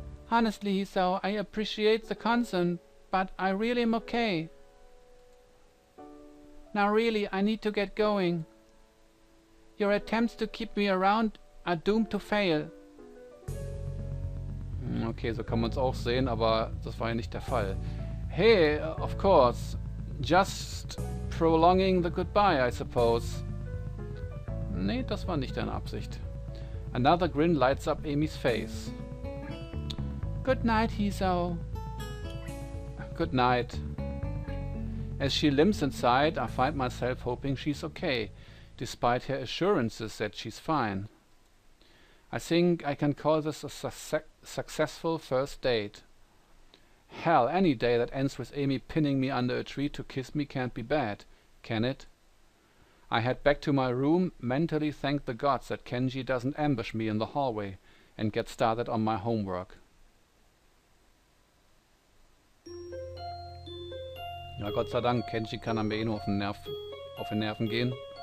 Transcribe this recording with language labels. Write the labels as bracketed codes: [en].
[en] Honestly, Hisao, I appreciate the concern, but I really am okay. Now really, I need to get going. Your attempts to keep me around are doomed to fail. [de] Okay, so kann man es auch sehen, aber das war ja nicht der Fall. [en] Hey, of course. Just prolonging the goodbye, I suppose. [de] Nee, das war nicht deine Absicht. [en] Another grin lights up Amy's face. Good night, Hisao. Good night. As she limps inside, I find myself hoping she's okay. Despite her assurances that she's fine. I think I can call this a successful first date. Hell, any day that ends with Amy pinning me under a tree to kiss me can't be bad, can it? I head back to my room, mentally thank the gods that Kenji doesn't ambush me in the hallway, and get started on my homework. [de] Ja, Gott sei Dank, Kenji kann am Ende auf den Nerven gehen.